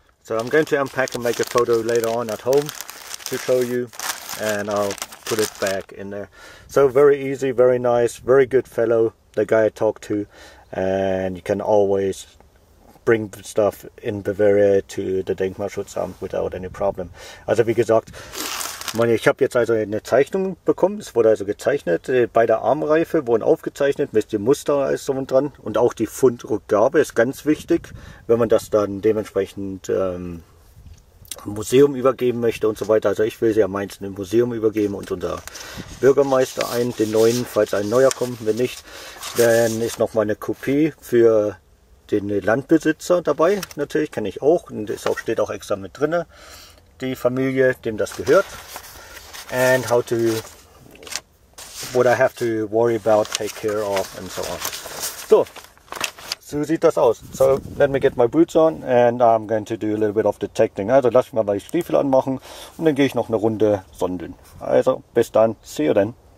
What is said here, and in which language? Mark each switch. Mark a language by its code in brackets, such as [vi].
[en] So I'm going to unpack and make a photo later on at home to show you and I'll put it back in there. So very easy, very nice, very good fellow, the guy I talked to, and you can always bring stuff in Bavaria to the Denkmalschutzamt without any problem. [de] Also wie gesagt, ich habe jetzt also eine Zeichnung bekommen, es wurde also gezeichnet, bei der Armreife wurden aufgezeichnet mit dem Muster alles drum und dran und auch die Fundrückgabe ist ganz wichtig, wenn man das dann dementsprechend Museum übergeben möchte und so weiter. Also ich will sie ja meistens im Museum übergeben und unser Bürgermeister ein, den neuen, falls ein neuer kommt, wenn nicht, dann ist noch mal eine Kopie für den Landbesitzer dabei, natürlich, kenne ich auch und es steht auch extra mit drinne. Die Familie, dem das gehört, [en] and how to, what I have to worry about, take care of, and so on. [de] So, so sieht das aus. [en] So, let me get my boots on, and I'm going to do a little bit of detecting. [de] Also, lass mich mal meine Stiefel anmachen, und dann gehe ich noch eine Runde sondeln. Also, bis dann, [en] see you then.